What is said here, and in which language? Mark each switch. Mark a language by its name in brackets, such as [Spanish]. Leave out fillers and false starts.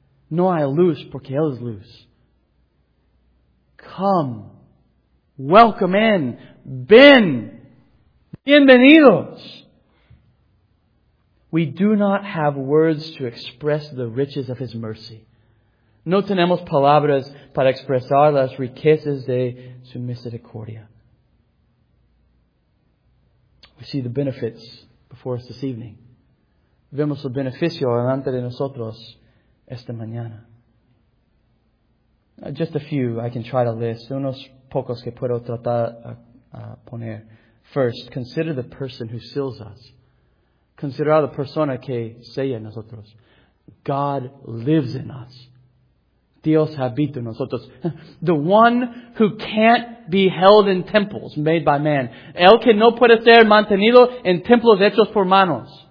[Spanish] No hay luz porque Él es luz. [English] Come. Welcome in. [Spanish] Ven. Bienvenidos. [English] We do not have words to express the riches of His mercy. [Spanish] No tenemos palabras para expresar las riquezas de su misericordia. [English] We see the benefits before us this evening. [Spanish] Vemos el beneficio delante de nosotros esta mañana. [English] Just a few I can try to list. [Spanish] Unos pocos que puedo tratar a poner. [English] First, consider the person who seals us. [Spanish] Considerar la persona que sella nosotros. [English] God lives in us. [Spanish] Dios habita en nosotros. [English] The one who can't be held in temples made by man. [Spanish] El que no puede ser mantenido en templos hechos por manos.